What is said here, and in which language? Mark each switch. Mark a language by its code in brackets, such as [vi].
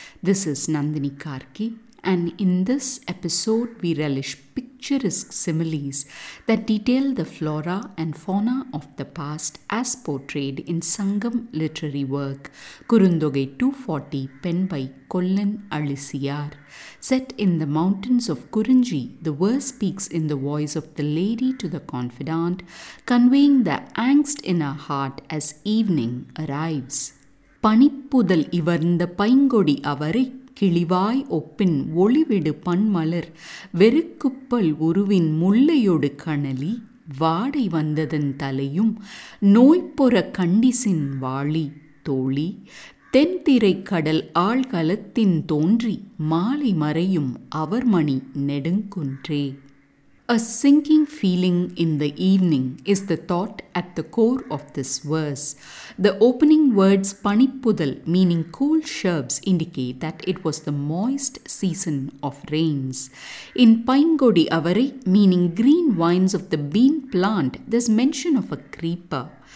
[en] This is Nandini Karki, and in this episode we relish picturesque similes that detail the flora and fauna of the past as portrayed in Sangam literary work Kurundogai 240, penned by Kollan Alisiyar. Set in the mountains of Kurunji, the verse speaks in the voice of the lady to the confidant, conveying the angst in her heart as evening arrives. [ta] Panippudal ivarnda paingodi avarai கிழிவாய் open ஒளிவிடு பண்மலர் வெறுக்குப்பல் உருவின் முல்லையொடு கணலி வாடை வந்ததன் தலையும் நோய்ப்புற கண்டிசின் வாளி தோழி தென்திரை கடல் ஆழ்கலத்தின் தோன்றி மாலை மறையும் அவர்மணி நெடுங்குன்றே. [en] A sinking feeling in the evening is the thought at the core of this verse. The opening words panippudal, meaning cool sherbs, indicate that it was the moist season of rains. In paingodi avari, meaning green vines of the bean plant, there's mention of a creeper.